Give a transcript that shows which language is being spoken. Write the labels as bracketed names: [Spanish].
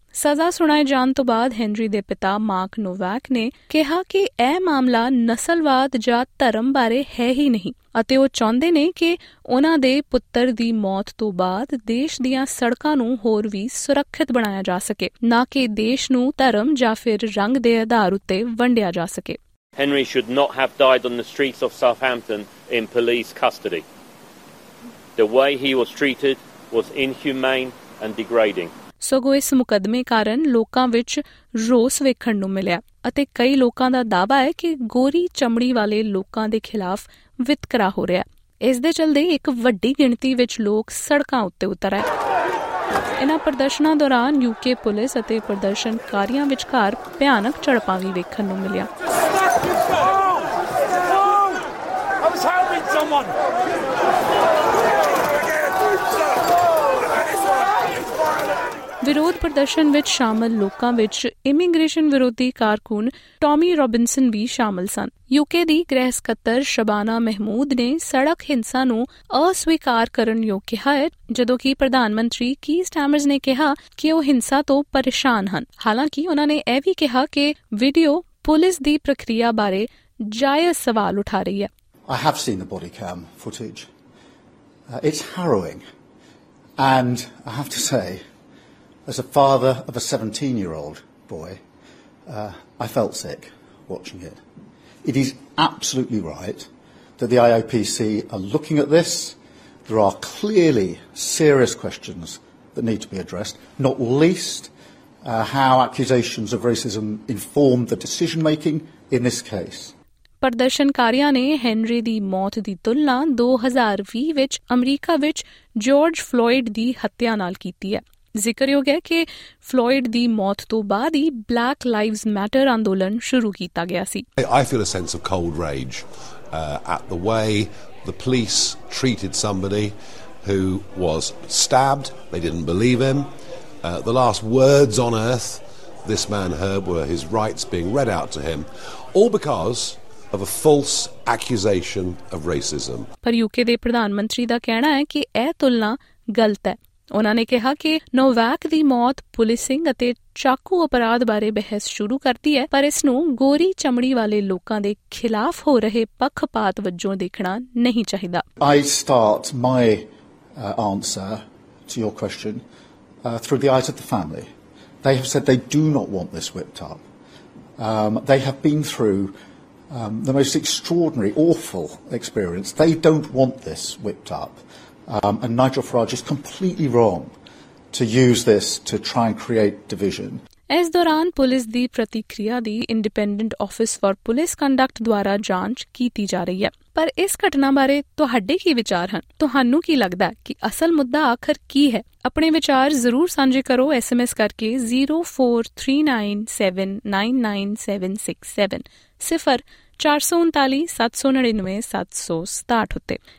[Punjabi] ਸਜ਼ਾ ਸੁਣਾਏ ਜਾਣ ਤੋਂ ਬਾਅਦ ਹੈਨਰੀ ਦੇ ਪਿਤਾ ਮਾਰਕ ਨੋਵੈਕ ਨੇ ਕਿਹਾ ਕਿ ਇਹ ਮਾਮਲਾ ਨਸਲਵਾਦ ਜਾਂ ਧਰਮ ਬਾਰੇ ਹੈ ਹੀ ਨਹੀਂ, ਅਤੇ ਉਹ ਚਾਹੁੰਦੇ ਨੇ ਕਿ ਉਨ੍ਹਾਂ ਦੇ ਪੁੱਤਰ ਦੀ ਮੌਤ ਤੋਂ ਬਾਅਦ ਦੇਸ਼ ਦੀਆਂ ਸੜਕਾਂ ਨੂੰ ਹੋਰ ਵੀ ਸੁਰੱਖਿਅਤ ਬਣਾਇਆ ਜਾ ਸਕੇ, ਨਾ ਕਿ ਦੇਸ਼ ਨੂੰ ਧਰਮ ਜਾਂ ਫਿਰ ਰੰਗ ਦੇ ਆਧਾਰ ਉੱਤੇ ਵੰਡਿਆ ਜਾ ਸਕੇ। [English] Henry should not have died on the streets of Southampton in police custody. The way he was treated was inhumane and degrading. [Punjabi] ਸਗੋਂ ਇਸ ਮੁਕੱਦਮੇ ਕਾਰਨ ਲੋਕਾਂ ਵਿੱਚ ਰੋਸ ਵੇਖਣ ਨੂੰ ਮਿਲਿਆ, ਅਤੇ ਕਈ ਲੋਕਾਂ ਦਾ ਦਾਅਵਾ ਹੈ ਕਿ ਗੋਰੀ ਚਮੜੀ ਵਾਲੇ ਲੋਕਾਂ ਦੇ ਖਿਲਾਫ਼ ਵਿਤਕਰਾ ਹੋ ਰਿਹਾ। ਇਸ ਦੇ ਚਲਦੇ ਇੱਕ ਵੱਡੀ ਗਿਣਤੀ ਵਿੱਚ ਲੋਕ ਸੜਕਾਂ ਉੱਤੇ ਉਤਰ ਆਏ। ਇਨ੍ਹਾਂ ਪ੍ਰਦਰਸ਼ਨਾਂ ਦੌਰਾਨ ਯੂਕੇ ਪੁਲਿਸ ਅਤੇ ਪ੍ਰਦਰਸ਼ਨਕਾਰੀਆਂ ਵਿਚਕਾਰ ਭਿਆਨਕ ਝੜਪਾਂ ਵੀ ਵੇਖਣ ਨੂੰ ਮਿਲੀਆਂ। ਵਿਰੋਧ ਪ੍ਰਦਰਸ਼ਨ ਵਿੱਚ ਸ਼ਾਮਲ ਲੋਕਾਂ ਵਿੱਚ ਇਮੀਗ੍ਰੇਸ਼ਨ ਵਿਰੋਧੀ ਕਾਰਕੁਨ ਟੌਮੀ ਰੌਬਿਨਸਨ ਵੀ ਸ਼ਾਮਲ ਸਨ। ਯੂਕੇ ਦੀ ਗ੍ਰਹਿ ਸਕੱਤਰ ਸ਼ਬਾਨਾ ਮਹਿਮੂਦ ਨੇ ਸੜਕ ਹਿੰਸਾ ਨੂੰ ਅਸਵੀਕਾਰ ਕਰਨ ਯੋਗ ਕਿਹਾ ਹੈ, ਜਦੋਂ ਕਿ ਪ੍ਰਧਾਨ ਮੰਤਰੀ ਕੀ ਸਟੈਮਰਸ ਨੇ ਕਿਹਾ ਕਿ ਉਹ ਹਿੰਸਾ ਤੋਂ ਪਰੇਸ਼ਾਨ ਹਨ। ਹਾਲਾਂਕਿ ਉਨ੍ਹਾਂ ਨੇ ਇਹ ਵੀ ਕਿਹਾ ਕਿ ਵੀਡੀਓ ਪੁਲਿਸ ਦੀ ਪ੍ਰਕਿਰਿਆ ਬਾਰੇ ਜਾਇਜ਼ ਸਵਾਲ ਉਠਾ ਰਹੀ ਹੈ। [English] I have seen the body cam footage. It's harrowing. And I have to say, as a father of a 17-year-old boy, I felt sick watching it. It is absolutely right that the IOPC are looking at this. There are clearly serious questions that need to be addressed, not least how accusations of racism informed the decision-making in this case. [Punjabi] ਪ੍ਰਦਰਸ਼ਨਕਾਰੀਆਂ ਨੇ Henry ਦੀ ਮੌਤ ਦੀ ਤੁਲਨਾ 2020 ਵਿੱਚ America ਵਿੱਚ George Floyd ਦੀ ਹੱਤਿਆ ਨਾਲ ਕੀਤੀ ਹੈ। ਜ਼ਿਕਰਯੋਗ ਹੈ ਕਿ ਫਲੋਇਡ ਦੀ ਮੌਤ ਤੋਂ ਬਾਅਦ ਹੀ ਬਲੈਕ ਲਾਈਵਜ਼ ਮੈਟਰ ਅੰਦੋਲਨ ਸ਼ੁਰੂ ਕੀਤਾ ਗਿਆ ਸੀ। [English] I feel a sense of cold rage at the way the police treated somebody who was stabbed. They didn't believe him. The last words on earth this man heard were his rights being read out to him, all because of a false accusation of racism. [Punjabi] ਪਰ UK ਦੇ ਪ੍ਰਧਾਨ ਮੰਤਰੀ ਦਾ ਕਹਿਣਾ ਹੈ ਕਿ ਇਹ ਤੁਲਨਾ ਗਲਤ ਹੈ। ਉਹਨਾਂ ਨੇ ਕਿਹਾ ਕਿ ਨੋਵਾਕ ਦੀ ਮੌਤ ਪੁਲਿਸਿੰਗ ਅਤੇ ਚਾਕੂ ਅਪਰਾਧ ਬਾਰੇ ਬਹਿਸ ਸ਼ੁਰੂ ਕਰਦੀ ਹੈ, ਪਰ ਇਸ ਨੂੰ ਗੋਰੀ ਚਮੜੀ ਵਾਲੇ ਲੋਕਾਂ ਦੇ ਖਿਲਾਫ ਹੋ ਰਹੇ ਪੱਖਪਾਤ ਵਜੋਂ ਦੇਖਣਾ ਨਹੀਂ ਚਾਹੀਦਾ। [English] I start my answer to your question through the eyes of the family. They have said they do not want this whipped up. They have been through the most extraordinary, awful experience. They don't want this whipped up. And Nigel Farage is completely wrong to use this to try and create division. [Punjabi] ਇਸ ਦੌਰਾਨ police ਦੀ ਪ੍ਰਤੀਕਿਰਿਆ ਦੀ independent office for police conduct ਦੁਆਰਾ ਜਾਂਚ ਕੀਤੀ ਜਾ ਰਹੀ ਹੈ। ਪਰ ਇਸ ਘਟਨਾ ਬਾਰੇ ਤੁਹਾਡੇ ਕੀ ਵਿਚਾਰ ਹਨ? ਤੁਹਾਨੂੰ ਕੀ ਲੱਗਦਾ ਕਿ ਅਸਲ ਮੁੱਦਾ ਆਖਰ ਕੀ ਹੈ? ਆਪਣੇ ਵਿਚਾਰ ਜ਼ਰੂਰ ਸਾਂਝੇ ਕਰੋ SMS ਕਰਕੇ 04397997767 04397997767 ਉੱਤੇ।